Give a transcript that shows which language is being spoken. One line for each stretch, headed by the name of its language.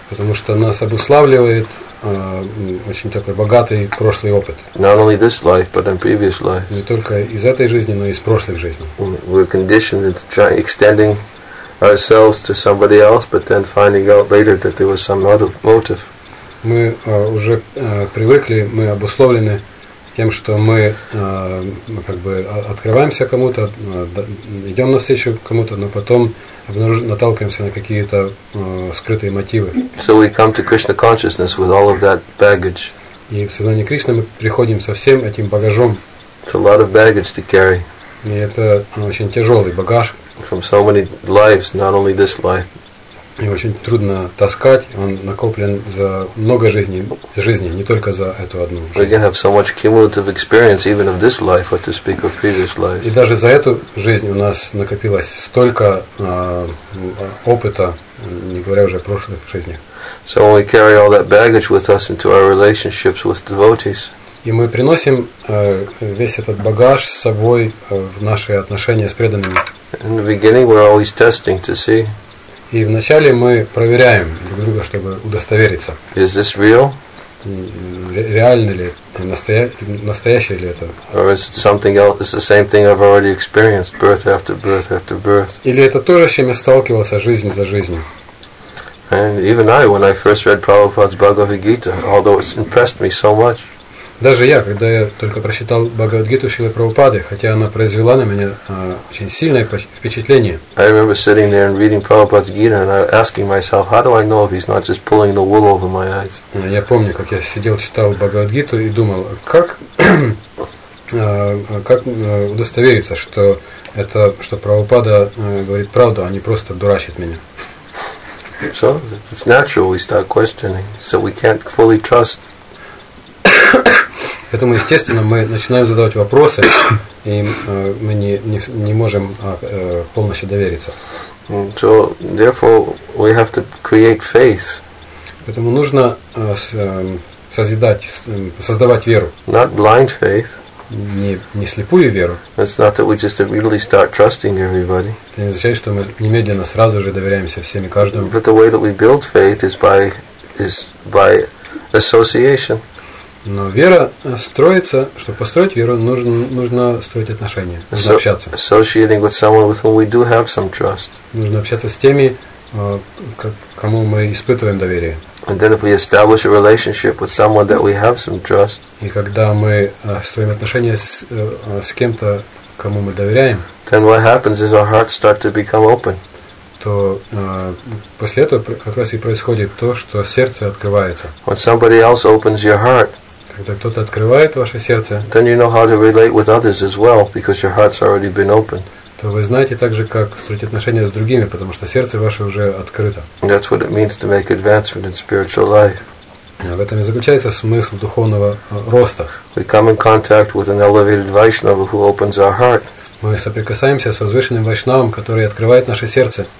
Russian: Потому что нас обуславливает очень такой богатый прошлый опыт.
English: Not only this life, but in previous life.
Russian: Не только из этой жизни, но и из прошлых жизней.
English: We're conditioned into extending ourselves to somebody else, but then finding out later that there was some other motive.
Russian: Мы уже привыкли, мы обусловлены тем, что мы как бы открываемся кому-то, идем навстречу кому-то, но потом наталкиваемся на какие-то скрытые мотивы.
English: So we come to Krishna consciousness with all of that baggage.
Russian: И в сознание Кришны мы приходим со всем этим багажом.
English: It's a lot of baggage to carry.
Russian: И это очень тяжелый багаж.
English: From so many lives, not only this life.
Russian: И очень трудно таскать, он накоплен за много жизней, не только за эту одну жизнь.
English: We can have so much cumulative experience even of this life, or to speak of previous lives.
Russian: И даже за эту жизнь у нас накопилось столько опыта, не говоря уже о прошлых жизнях.
English: So we carry all that baggage with us into our relationships with devotees.
Russian: И мы приносим весь этот багаж с собой в наши отношения с преданными.
English: In the beginning, we're always testing to see.
Russian: И вначале мы проверяем друг друга, чтобы удостовериться.
English: Is this real?
Russian: Реально ли? Настоящее ли это?
English: Or is it something else? It's the same thing I've already experienced, birth after birth after birth.
Russian: Или это то же, с чем я сталкивался жизнь за жизнью?
English: And even I, when I first read Prabhupada's Bhagavad Gita, although it's impressed me so much.
Russian: Даже я, когда я только прочитал Бхагавад-гиту Шрилы Прабхупады, хотя она произвела на меня очень сильное впечатление.
English: I remember sitting there and reading Prabhupada's Gita and asking myself, how do I know if he's not just pulling the wool over my eyes?
Russian: Я помню, как я сидел, читал Бхагавад-гиту и думал, как удостовериться, что это, что Прабхупада говорит правду, а не просто дурачит меня.
English: So, it's natural we start questioning, so we can't fully trust.
Russian: Поэтому, естественно, мы начинаем задавать вопросы, и мы не можем полностью довериться.
English: So, therefore, we have to create faith.
Russian: Поэтому нужно создавать веру.
English: Not blind faith.
Russian: Не слепую веру.
English: It's not that we just immediately start trusting everybody.
Russian: Это не означает, что мы немедленно сразу же доверяемся всем и каждому.
English: But the way that we build faith is by association.
Russian: Но вера строится, чтобы построить веру, нужно строить отношения, нужно общаться.
English: Associating with someone with whom we do have some trust.
Russian: Нужно общаться с теми, кому мы испытываем доверие.
English: And then if we establish a relationship with someone that we have some trust.
Russian: И когда мы строим отношения с кем-то, кому мы доверяем.
English: Then what happens is our hearts start to become open.
Russian: То после этого как раз и происходит то, что сердце открывается.
English: When somebody else opens your heart.
Russian: Это кто-то открывает ваше сердце.
English: Then you know how to relate with others as well, because your heart's already been opened.
Russian: То вы знаете также, как строить отношения с другими, потому что сердце ваше уже открыто.
English: That's what it means to make advancement in spiritual life.
Russian: В этом и заключается смысл духовного роста.
English: We come in contact with an elevated Vaishnava who opens our heart.
Russian: Мы соприкасаемся с возвышенным Вайшнавом, который открывает наше сердце.